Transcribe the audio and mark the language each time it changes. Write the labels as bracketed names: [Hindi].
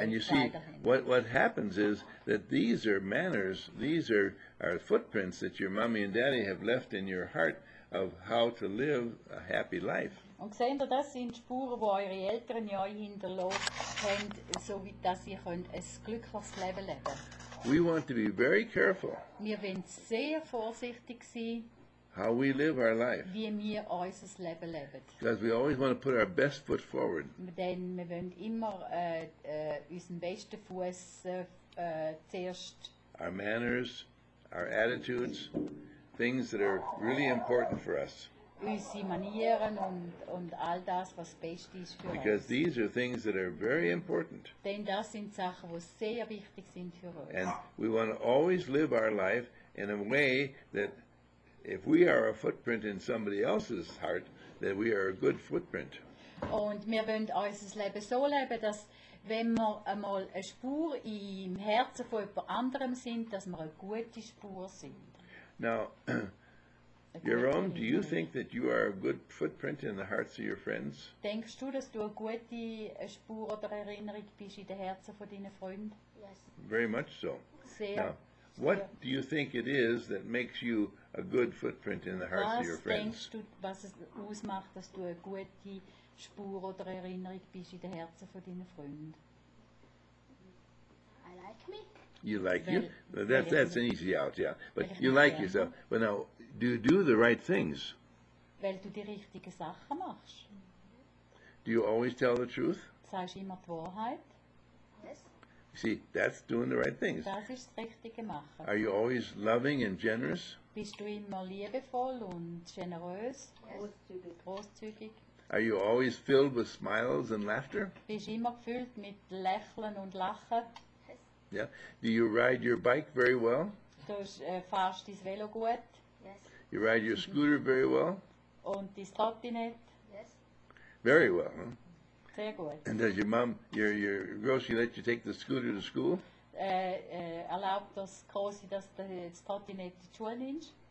[English] you see, what happens is that these are manners, these are footprints that your mommy and daddy have left in your heart of how to live a happy life. [German] Und sehen Sie, das sind Spuren, wo eure Eltern ja euch hinterlassen, so wie dass ihr könnt ein glückliches Leben leben. [English] We want to be very careful. [German] Wir wollen sehr vorsichtig sein. [English] How we live our life. [German] Wie wir unser Leben leben. [English] Because we always want to put our best foot forward. [German] Denn wir wollen immer unseren besten Fuß zuerst. [English] Our manners, our attitudes. Things that are really important for us. [German] Unsere Manieren und all das, was best ist für uns. [English] Because these are things that are very important. [German] Denn das sind Sachen, wo sehr wichtig sind für uns. [English] And we want to always live our life in a way that if we are a footprint in somebody else's heart, that we are a good footprint. [German] Und wir wollen unser Leben so leben, dass wenn wir einmal eine Spur im Herzen von jemand anderem sind, dass wir eine gute Spur sind. [English] Now, Jerome, do you think that you are a good footprint in the hearts of your friends? [German] Denkst du, dass du eine gute Spur oder Erinnerung bist in den Herzen von deinen Freunden? [English] Yes. Very much so. [German] Sehr. [English] Now, what do you think it is that makes you a good footprint in the hearts of your friends? [German] Was denkst du, was es ausmacht, dass du eine gute Spur oder Erinnerung bist in den Herzen von deinen Freunden? [English] I like me. You like you? That's an easy out, yeah. But you like yourself. Well, now, do you do the right things? [German] Weil du die richtigen Sachen machst. [English] Do you always tell the truth? [German] Sagst immer die Wahrheit? [English] Yes. See, that's doing the right things. [German] Das ist das richtige Machen. [English] Are you always loving and generous? [German] Bist du immer liebevoll und generös? [English] Yes. [German] Großzügig. [English] Are you always filled with smiles and laughter? [German] Bist immer gefüllt mit Lächeln und Lachen? [English] Yeah. Do you ride your bike very well? [German] Du fährst dein Velo gut. [English] Yes. You ride your scooter very well? [German] Und dein Trottinett. [English] Yes. Very well, huh? [German] Sehr gut. [English] And does your mom, your Grossi let you take the scooter to school? [German] Erlaubt das Grossi, dass du das Trottinett in die Schule nimmst?